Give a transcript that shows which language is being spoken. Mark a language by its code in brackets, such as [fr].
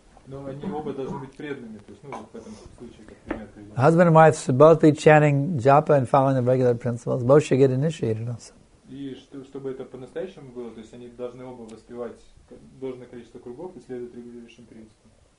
[ru] Но они оба должны быть преданными, то есть, ну, в этом случае, как пример. [en] Husband and wife should both be chanting japa and following the regular principles. Both should get initiated also. [ru] И чтобы это по-настоящему было, то есть они должны оба воспевать должное количество кругов и следовать регулирующим принципам.